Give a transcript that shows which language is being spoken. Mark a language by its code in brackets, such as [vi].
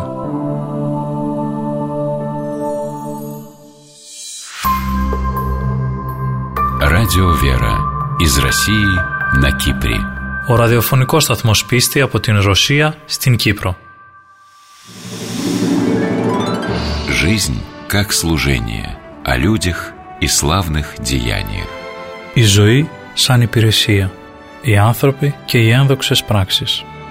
[ru] Радио Вера. Из России на Кипре. [el] Ο ραδιοφωνικός σταθμός πίστη από την Ρωσία στην Κύπρο. [ru] Жизнь как служение, о людях и славных деяниях. [el] Η ζωή σαν υπηρεσία, οι άνθρωποι και οι ένδοξες πράξεις.